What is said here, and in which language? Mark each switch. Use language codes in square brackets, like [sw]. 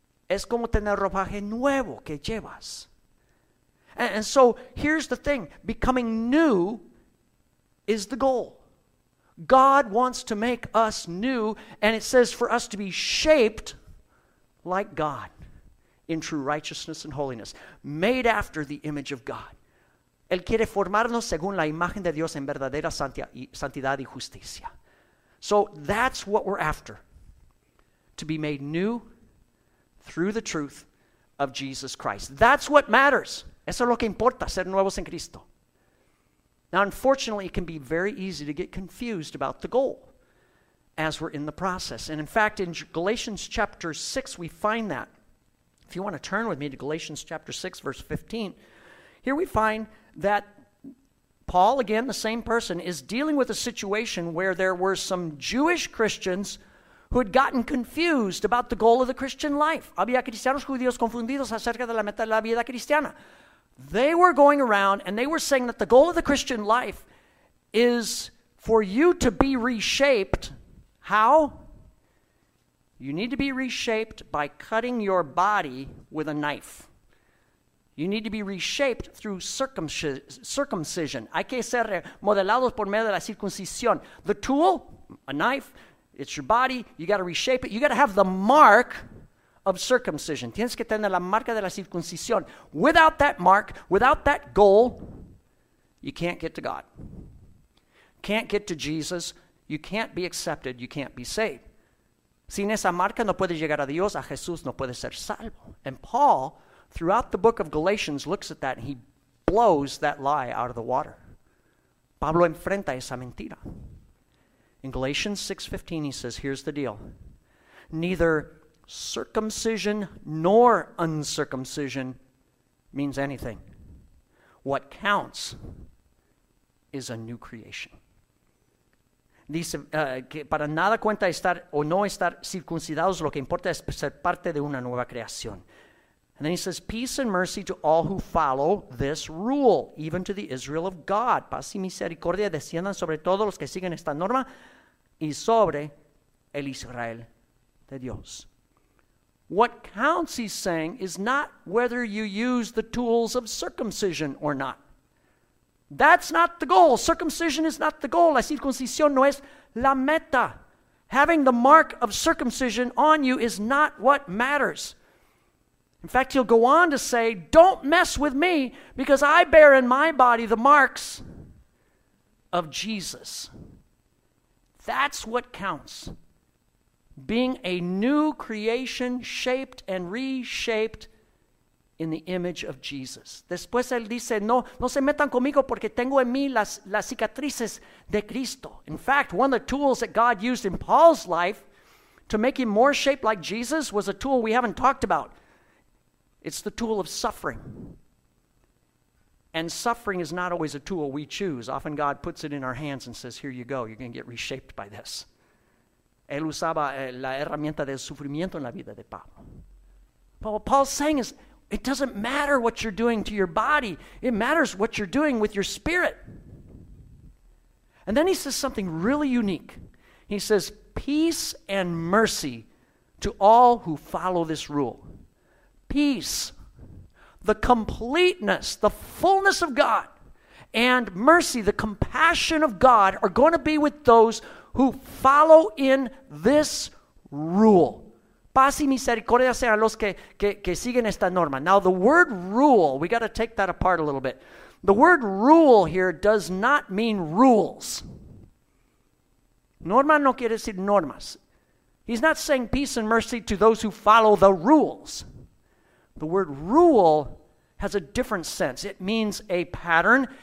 [es] Es como tener ropaje nuevo que llevas. [en] And so here's the thing. Becoming new is the goal. God wants to make us new, and it says for us to be shaped like God in true righteousness and holiness, made after the image of God. [es] Él quiere formarnos según la imagen de Dios en verdadera santidad y justicia. [en] So that's what we're after, to be made new through the truth of Jesus Christ. That's what matters. [es] Eso es lo que importa, ser nuevos en Cristo. [en] Now, unfortunately, it can be very easy to get confused about the goal as we're in the process. And in fact, in Galatians chapter 6, we find that. If you want to turn with me to Galatians chapter 6, verse 15, here we find that Paul, again, the same person, is dealing with a situation where there were some Jewish Christians who had gotten confused about the goal of the Christian life. [es] Había cristianos judíos confundidos acerca de la meta de la vida cristiana. [en] They were going around and they were saying that the goal of the Christian life is for you to be reshaped. How? You need to be reshaped by cutting your body with a knife. You need to be reshaped through circumcision. [es] Hay que ser modelados por medio de la circuncisión. [en] The tool, a knife, it's your body. You got to reshape it. You got to have the mark of circumcision. [es] Tienes que tener la marca de la circuncisión. [en] Without that mark, without that goal, you can't get to God. Can't get to Jesus. You can't be accepted. You can't be saved. [es] Sin esa marca no puedes llegar a Dios, a Jesús no puedes ser salvo. [en] And Paul, throughout the book of Galatians, looks at that and he blows that lie out of the water. [es] Pablo enfrenta esa mentira. [en] In Galatians 6:15, he says, here's the deal. Neither circumcision nor uncircumcision means anything. What counts is a new creation. [es] Dice, que para nada cuenta estar o no estar circuncidados, lo que importa es ser parte de una nueva creación. [en] And then he says, peace and mercy to all who follow this rule, even to the Israel of God. [es] Paz y misericordia desciendan sobre todos los que siguen esta norma y sobre el Israel de Dios. [en] What counts, he's saying, is not whether you use the tools of circumcision or not. That's not the goal. Circumcision is not the goal. [es] La circuncisión no es la meta. [en] Having the mark of circumcision on you is not what matters. In fact, he'll go on to say, don't mess with me because I bear in my body the marks of Jesus. That's what counts. Being a new creation shaped and reshaped in the image of Jesus. [es] Después él dice, no se metan conmigo porque tengo en mí las cicatrices de Cristo. [en] In fact, one of the tools that God used in Paul's life to make him more shaped like Jesus was a tool we haven't talked about. It's the tool of suffering. And suffering is not always a tool we choose. Often God puts it in our hands and says, here you go, you're going to get reshaped by this. [es] Él usaba la herramienta del sufrimiento en la vida de Pablo. [en] But what Paul's saying is, it doesn't matter what you're doing to your body. It matters what you're doing with your spirit. And then he says something really unique. He says, peace and mercy to all who follow this rule. Peace, the completeness, the fullness of God, and mercy, the compassion of God, are going to be with those who follow in this rule. [es] Paz y misericordia sean los que siguen esta norma. [en] Now, the word rule, we got to take that apart a little bit. The word rule here does not mean rules. [es] Norma no quiere decir normas. [en] He's not saying peace and mercy to those who follow the rules. The word rule has a different sense. It means a pattern.